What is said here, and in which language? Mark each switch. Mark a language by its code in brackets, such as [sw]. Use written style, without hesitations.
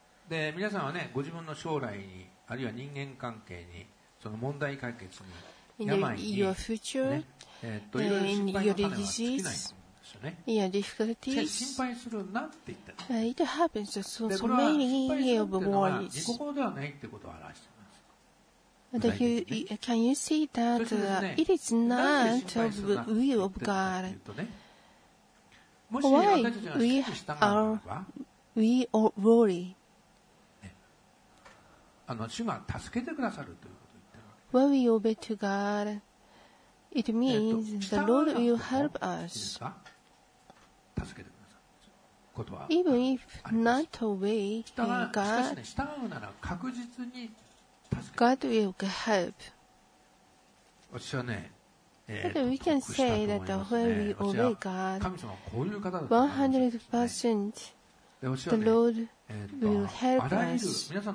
[ja] で、皆さんはね、ご自分の将来に、あるいは人間関係に、その問題解決に、病に、 [en] your future, [ja] ね、いろいろ心配の種は尽きない。いや、difficulties。心配するなって言った [en] ら、it happens to so many of worries。 [ja] これは心配するっていうのは自己肯定ではないってことを表しています。だけど、 [en] can you see that it is not of will of God? Why we are we worry? [ja] 主が助けてくださるということを言ってるわけです。 [en] When we obey to God, it means the Lord will help us. [ja] 助けてくださることはあります。 [en] Even if not obey [ja] God, しかしね、従うなら確実に助けてください。 [en] God will help. [ja] 私はね、 [en] But we can say that when we obey God, 100% the Lord will help us.